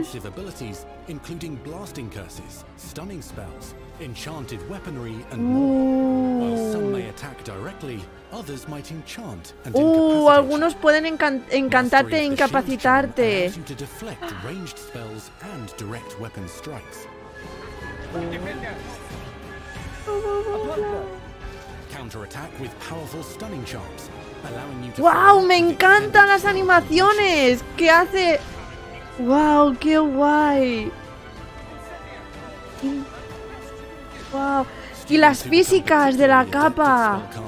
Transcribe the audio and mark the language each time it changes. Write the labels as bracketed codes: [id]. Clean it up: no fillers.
[en] defensive abilities, including blasting curses, stunning spells, enchanted weaponry, and more. While some may attack directly, others might enchant and incapacitate. [es] Algunos pueden encantarte e incapacitarte. [en] Mastery of the shield charm allows you to deflect ranged spells and direct weapon strikes. Counterattack with powerful stunning charms, allowing you to. [es] Wow, me encantan las animaciones. ¿Qué hace? Wow, qué guay. Wow, y las físicas de la capa.